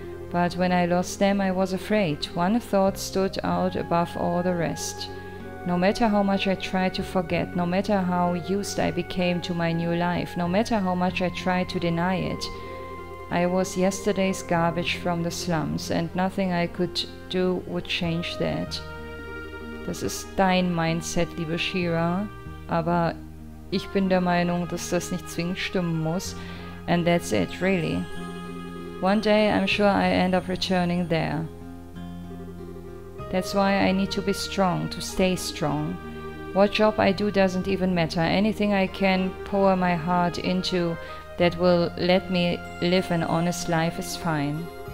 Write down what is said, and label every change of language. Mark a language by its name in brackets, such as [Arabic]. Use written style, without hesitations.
[English] But when I lost them, I was afraid. One thought stood out above all the rest. No matter how much I tried to forget, no matter how used I became to my new life, no matter how much I tried to deny it, I was yesterday's garbage from the slums, and nothing I could do would change that. [German] Das ist dein Mindset, liebe Shira, aber ich bin der Meinung, dass das nicht zwingend stimmen muss. [English] And that's it, really. One day I'm sure I end up returning there. That's why I need to be strong, to stay strong. What job I do doesn't even matter. Anything I can pour my heart into, that will let me live an honest life is fine.